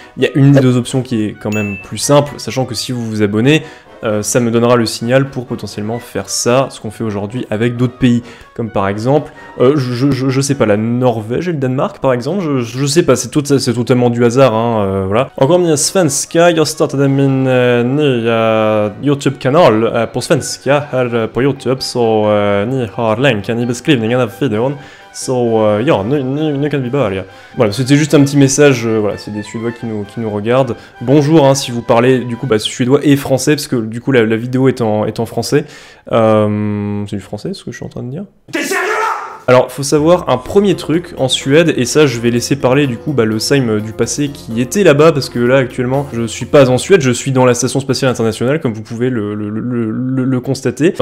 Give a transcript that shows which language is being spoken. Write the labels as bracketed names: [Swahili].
[French] Il y a une des deux options qui est quand même plus simple, sachant que si vous vous abonnez, ça me donnera le signal pour potentiellement faire ça, ce qu'on fait aujourd'hui avec d'autres pays. Comme par exemple, je sais pas, la Norvège et le Danemark par exemple, je sais pas, c'est totalement du hasard, hein, voilà. Encore mieux, [Swedish] Svenska, jag startade min nya YouTube-kanal på svenska här på YouTube, så ni har länken i beskrivningen av videon. [English] So, yeah, [Swedish] nu kan vi börja. [French] Voilà, c'était juste un petit message, voilà, c'est des Suédois qui nous regardent. Bonjour, hein, si vous parlez, du coup, bah, suédois et français, parce que, du coup, la vidéo est en français. C'est du français, ce que je suis en train de dire? T'es sérieux, là? Alors, faut savoir, un premier truc, en Suède, et ça, je vais laisser parler, du coup, bah, le Syme du passé qui était là-bas, parce que là, actuellement, je suis pas en Suède, je suis dans la Station Spatiale Internationale, comme vous pouvez le constater.